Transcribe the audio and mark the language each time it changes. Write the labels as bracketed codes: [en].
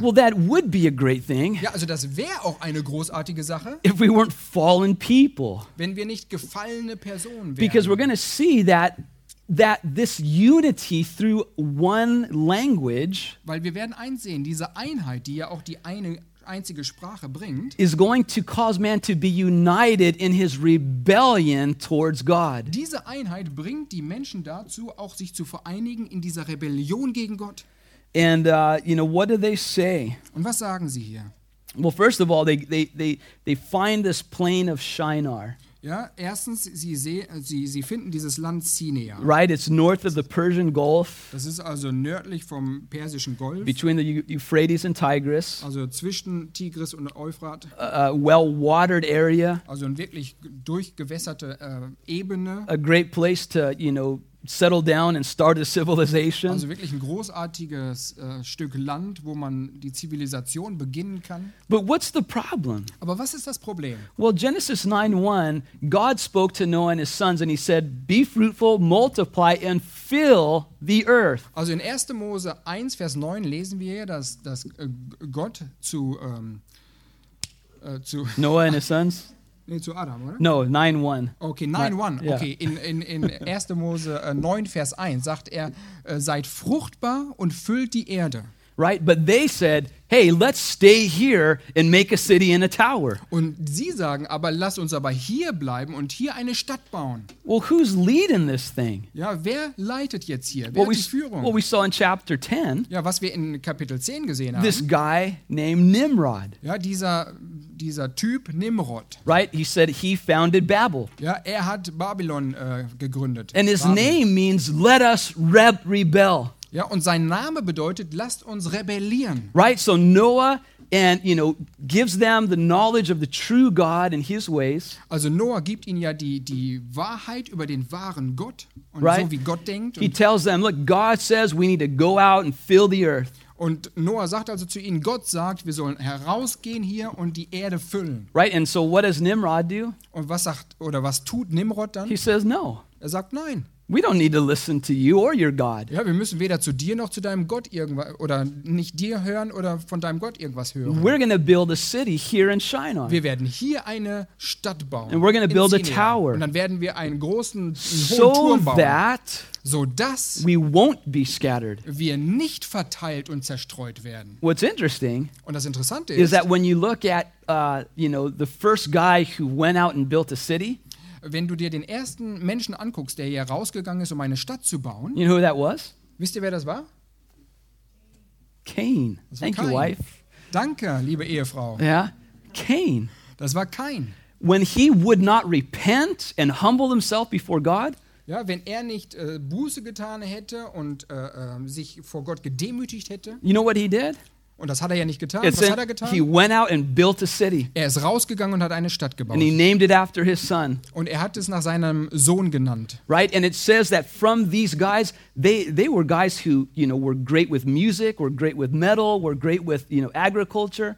[en] Well, that would be a great thing. [de] Ja, also das wäre auch eine großartige Sache. [en] If we weren't fallen people. [de] Wenn wir nicht gefallene Personen wären. [en] Because we're going to see that this unity through one language, [de] weil wir werden einsehen, diese Einheit, die ja auch die eine einzige Sprache bringt, [en] is going to cause man to be united in his rebellion towards God. [de] Diese Einheit bringt die Menschen dazu, auch sich zu vereinigen in dieser Rebellion gegen Gott. [en] And you know, what do they say? [de] Und was sagen sie hier? [en] Well, first of all, they find this plain of Shinar. [de] Ja, erstens sie finden dieses Land Sinea. [en] Right, it's north of the Persian Gulf. [de] Das ist also nördlich vom Persischen Golf. [en] Between the Euphrates and Tigris. [de] Also zwischen Tigris und Euphrat. [en] A well-watered area. [de] Also ein wirklich durchgewässerte Ebene. [en] A great place to, you know, settle down and start a civilization. [de] Also wirklich ein großartiges Stück Land, wo man die Zivilisation beginnen kann. [en] But what's the problem? [de] Aber was ist das Problem? [en] Well, Genesis 9:1, God spoke to Noah and his sons and he said, be fruitful, multiply and fill the earth. [de] Also in 1. Mose 1, Vers 9 lesen wir, dass Gott zu [en] Noah and his sons [de] Nee, zu Adam, oder? [en] No, 9:1. Okay, 9:1. Yeah. Okay, in 1. [de] Mose 9, Vers 1 sagt er, seid fruchtbar und füllt die Erde. [en] Right, but they said, hey, let's stay here and make a city and a tower. [de] Und sie sagen aber, lass uns aber hier bleiben und hier eine Stadt bauen. [en] Well, who's leading this thing? [de] Ja, wer leitet jetzt hier? Wer hat die Führung? [en] Well, we saw in chapter 10. [de] Ja, was wir in Kapitel 10 gesehen haben. [en] This guy named Nimrod. [de] Ja, dieser Typ Nimrod. [en] Right, he said he founded Babel. [de] Ja, er hat Babylon gegründet. [en] And his name means let us rebel. [de] Ja, und sein Name bedeutet, lasst uns rebellieren. [en] Right, so Noah and you know gives them the knowledge of the true God and his ways. [de] Also Noah gibt ihnen ja die Wahrheit über den wahren Gott und right? So wie Gott denkt. [en] He tells them, look, God says we need to go out and fill the earth. [de] Und Noah sagt also zu ihnen, Gott sagt, wir sollen herausgehen hier und die Erde füllen. [en] Right, and so what does Nimrod do? [de] Und was tut Nimrod dann? [en] He says no. [de] Er sagt nein. [en] We don't need to listen to you or your God. [de] Ja, wir müssen weder zu dir noch zu deinem Gott irgendwas oder nicht dir hören oder von deinem Gott irgendwas hören. [en] We're going to build a city here in Shinar. [de] Wir werden hier eine Stadt bauen. [en] And we're going to build a tower. [de] Und dann werden wir einen großen hohen Turm bauen. So dass [en] we won't be scattered. [de] Wir nicht verteilt und zerstreut werden. [en] What's interesting? [de] Und das Interessante ist, [en] that when you look at the first guy who went out and built a city. [de] Wenn du dir den ersten Menschen anguckst, der hier rausgegangen ist, um eine Stadt zu bauen. [en] You know who that was? [de] Wisst ihr, wer das war? [en] Cain. Thank you, wife. [de] Danke, liebe Ehefrau. [en] Ja, yeah. Cain. [de] Das war Cain. [en] When he would not repent and humble himself before God. [de] Ja, wenn er nicht Buße getan hätte und sich vor Gott gedemütigt hätte. [en] You know what he did? [de] Und das hat er ja nicht getan. Was hat er getan? [en] He went out and built a city. [de] Er ist rausgegangen und hat eine Stadt gebaut. [en] And he named it after his son. [de] Und er hat es nach seinem Sohn genannt. [en] Right, and it says that from these guys, they were guys who, you know, were great with music, were great with metal, were great with, you know, agriculture.